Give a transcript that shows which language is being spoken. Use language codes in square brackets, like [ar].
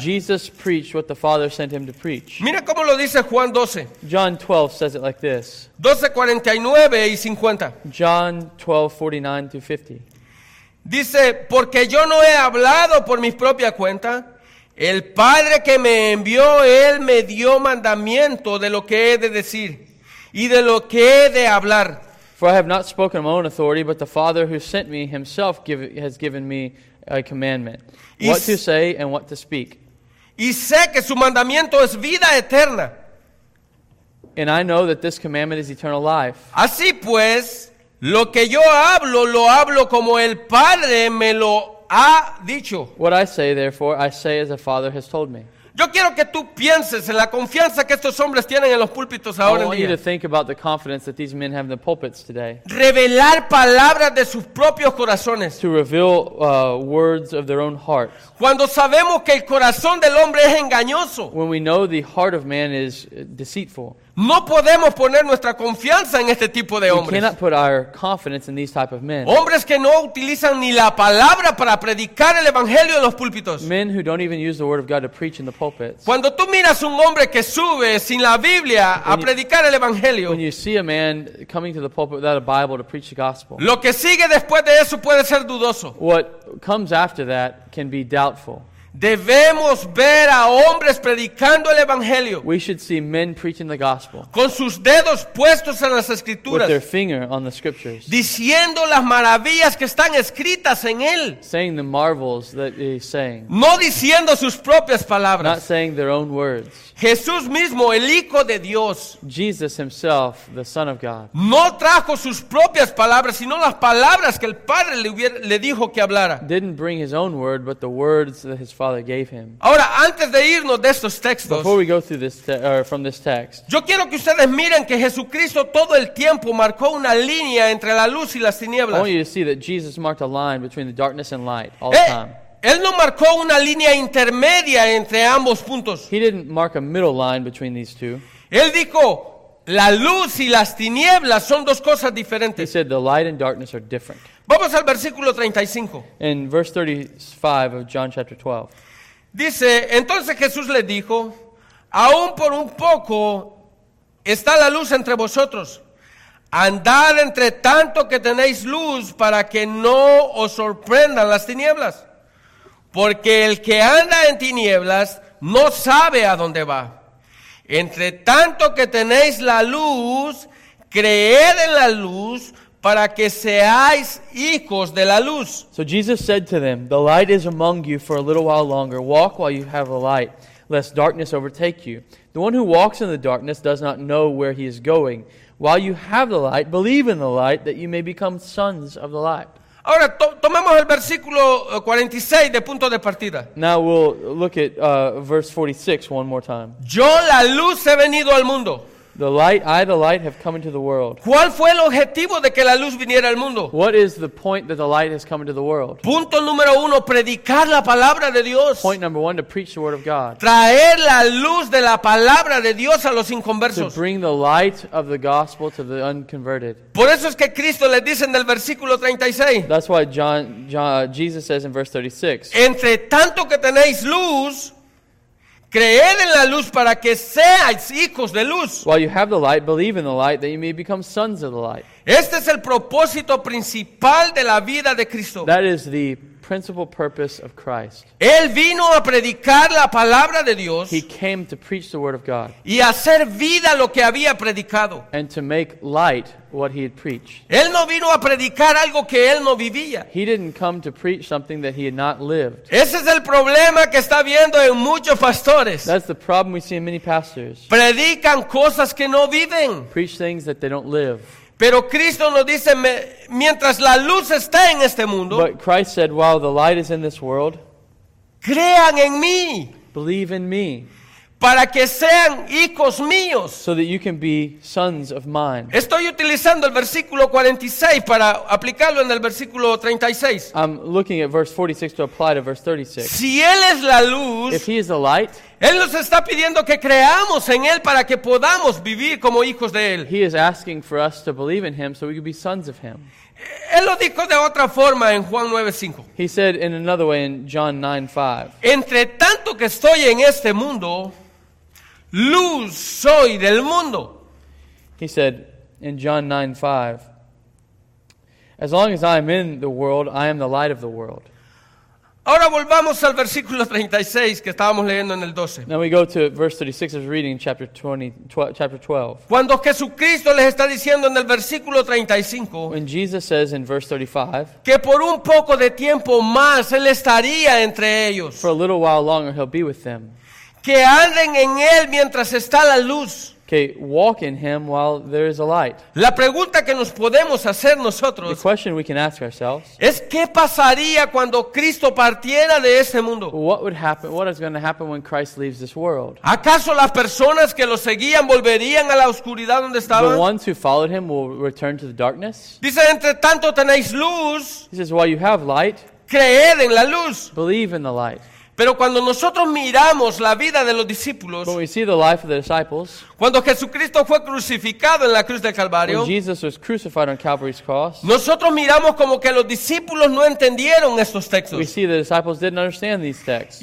[en] Jesus preached what the Father sent him to preach. [es] Mira cómo lo dice Juan 12. [en] John 12 says it like this. 12:49-50. John 12:49-50. [es] Dice, porque yo no he hablado por mi propia cuenta. El Padre que me envió, Él me dio mandamiento de lo que he de decir. y de lo que he de hablar. [en] For I have not spoken of my own authority, but the Father who sent me himself has given me a commandment. What to say and what to speak. [es] Y sé que su mandamiento es vida eterna. [en] And I know that this commandment is eternal life. [es] Así pues, lo que yo hablo, lo hablo como el Padre me lo ha dicho. [en] What I say, therefore, I say as the Father has told me. [es] Yo quiero que tú pienses en la confianza que estos hombres tienen en los púlpitos ahora en día. [en] I want you to think about the confidence that these men have in the pulpits today. [es] Revelar palabras de sus propios corazones. [en] To reveal words of their own hearts. [es] Cuando sabemos que el corazón del hombre es engañoso. [en] When we know the heart of man is deceitful. [es] No podemos poner nuestra confianza en este tipo de hombres. [en] We cannot put our confidence in these type of men. [es] Hombres que no utilizan ni la palabra para predicar el evangelio en los púlpitos. [en] Men who don't even use the word of God to preach in the pulpits. [es] Cuando tú miras un hombre que sube sin la Biblia a predicar el evangelio. [en] When you see a man coming to the pulpit without a Bible to preach the gospel. [es] Lo que sigue después de eso puede ser dudoso. [en] What comes after that can be doubtful. [es] Debemos ver a hombres predicando el evangelio. [en] We should see men preaching the gospel. [es] Con sus dedos puestos en las escrituras. [en] With their finger on the scriptures. [es] Diciendo las maravillas que están escritas en él. [en] Saying the marvels that he's saying. [es] No diciendo sus propias palabras. [en] Not saying their own words. [es] Jesús mismo, el Hijo de Dios. [en] Jesus himself, the Son of God. [es] No trajo sus propias palabras, sino las palabras que el Padre le dijo que hablara. [en] Didn't bring his own word, but the words that his Father gave him. [es] Ahora, antes de irnos de estos textos, [en] before we go through this from this text, [es] yo quiero que ustedes miren que Jesucristo todo el tiempo marcó una línea entre la luz y las tinieblas. [en] I want you to see that Jesus marked a line between the darkness and light all the time. [es] Él no marcó una línea intermedia entre ambos puntos. [en] He didn't mark a middle line between these two. [es] Él dijo, la luz y las tinieblas son dos cosas diferentes. [en] He said the light and darkness are different. [es] Vamos al versículo 35. [en] In verse 35 of John chapter 12. [es] Dice, entonces Jesús le dijo, aún por un poco está la luz entre vosotros. Andad entre tanto que tenéis luz para que no os sorprendan las tinieblas. Porque el que anda en tinieblas no sabe a dónde va. Entre tanto que tenéis la luz, creed en la luz para que seáis hijos de la luz. [en] So Jesus said to them, the light is among you for a little while longer. Walk while you have the light, lest darkness overtake you. The one who walks in the darkness does not know where he is going. While you have the light, believe in the light that you may become sons of the light. [es] Ahora tomemos el versículo 46 de punto de partida. [en] Now we'll look at verse 46 one more time. [es] Yo la luz he venido al mundo. [en] The light, I the light have come into the world. [es] ¿Cuál fue el objetivo de que la luz viniera al mundo? [en] What is the point that the light has come into the world? [es] Punto número uno, predicar la palabra de Dios. [en] Point number one, to preach the word of God. [es] Traer la luz de la palabra de Dios a los inconversos. [en] To bring the light of the gospel to the unconverted. [es] Por eso es que Cristo le dice en el versículo 36. [en] That's why Jesus says in verse 36. [es] Entre tanto que tenéis luz, creed en la luz para que seáis hijos de luz. [en] While you have the light, believe in the light that you may become sons of the light. [es] Este es el propósito principal de la vida de Cristo. [en] That is the principal purpose of Christ. [es] Él vino a predicar la palabra de Dios. [en] He came to preach the word of God. [es] Y hacer vida lo que había predicado. [en] And to make light what he had preached. [es] Él no vino a predicar algo que él no vivía. [en] He didn't come to preach something that he had not lived. [es] Ese es el problema que está viendo en muchos pastores. [en] That's the problem we see in many pastors. [es] Predican cosas que no viven. [en] Preach things that they don't live. [es] Pero Cristo nos dice, mientras la luz está en este mundo. [en] But Christ said, while the light is in this world. [es] Crean en mí. [en] Believe in me. [es] Para que sean hijos míos. [en] So that you can be sons of mine. [es] Estoy utilizando el versículo 46 para aplicarlo en el versículo 36. [en] I'm looking at verse 46 to apply to verse 36. [es] Si él es la luz. [en] If he is the light. [es] Él nos está pidiendo que creamos en él para que podamos vivir como hijos de él. [en] He is asking for us to believe in him so we can be sons of him. [es] Él lo dijo de otra forma en Juan 9:5. [en] He said in another way in John 9:5. [es] Entre tanto que estoy en este mundo, luz soy del mundo. [en] He said in John 9:5. As long as I am in the world, I am the light of the world. [es] Ahora volvamos al versículo 36 que estábamos leyendo en el 12. [en] Now we go to verse 36 of reading chapter 20, chapter 12. [es] Cuando Jesucristo les está diciendo en el versículo 35, [en] when Jesus says in verse 35, [es] que por un poco de tiempo más él estaría entre ellos. [en] For a little while longer he'll be with them. [es] Que anden en él mientras está la luz. [en] Okay, walk in him while there is a light. [es] La pregunta que nos podemos hacer nosotros, [en] the question we can ask ourselves, [es] es qué pasaría cuando Cristo partiera de este mundo. [en] What would happen? What is going to happen when Christ leaves this world? [es] ¿Acaso las personas que lo seguían volverían a la oscuridad donde estaban? [en] The ones who followed him will return to the darkness. [es] Dice, entre tanto tenéis luz. [en] He says, while you have light, [es] creed en la luz. [en] Believe in the light. [es] Pero cuando nosotros miramos la vida de los discípulos, [en] when we see the life of the disciples, [es] cuando Jesucristo fue crucificado en la cruz del Calvario, [en] when Jesus was crucified on Calvary's cross, [es] nosotros miramos como que los discípulos no entendieron estos textos. [en] We see the disciples didn't understand these texts.